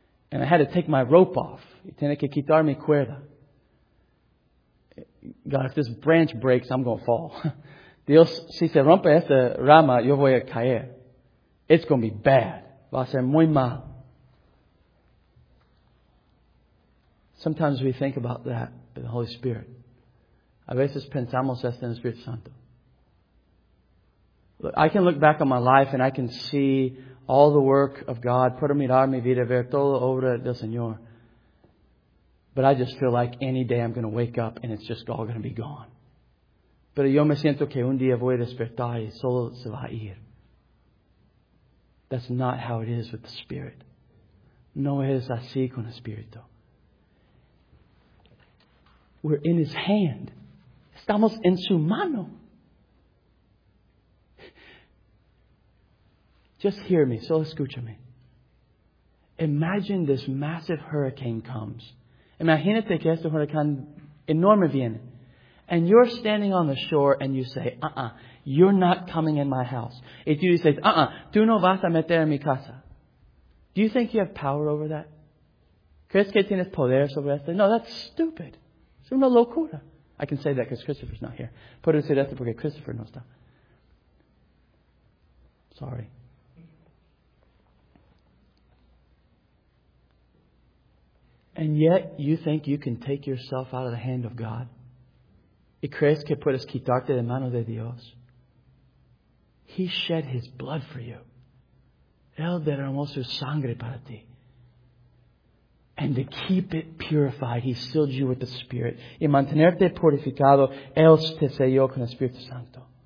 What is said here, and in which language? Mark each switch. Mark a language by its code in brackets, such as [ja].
[en] And I had to take my rope off. [es] Tiene que quitar mi cuerda. [en] God, if this branch breaks, I'm going to fall. [es] Dios, si se rompe esta rama, yo voy a caer. [en] It's going to be bad. [es] Va a ser muy mal. [en] Sometimes we think about that in the Holy Spirit. [es] A veces pensamos esto en el Espíritu Santo. [en] Look, I can look back on my life and I can see all the work of God, [es] puedo mirar mi vida, ver toda obra del Señor. [en] But I just feel like any day I'm going to wake up and it's just all going to be gone. [es] Pero yo me siento que un día voy a despertar y solo se va a ir. [en] That's not how it is with the Spirit. [es] No es así con el Espíritu. [en] We're in His hand. [es] Estamos en su mano. [en] Just hear me, [es] solo escúchame. [en] Imagine this massive hurricane comes. [es] Imagínate que este huracán enorme viene. [en] And you're standing on the shore and you say, you're not coming in my house. If you say, [es] tú no vas a meter en mi casa. [en] Do you think you have power over that? [es] ¿Crees que tienes poder sobre esto? No, [en] that's stupid. [es] Es una locura. [en] I can say that because Christopher's not here. [es] Puedo decir esto porque Christopher no está. [en] Sorry. And yet, you think you can take yourself out of the hand of God? [es] ¿Y crees que puedes quitarte de mano de Dios? [en] He shed His blood for you. [es] Él derramó su sangre para ti. [en] And to keep it purified, He sealed you with the Spirit. [es] Y mantenerte purificado, Él te selló con el Espíritu Santo.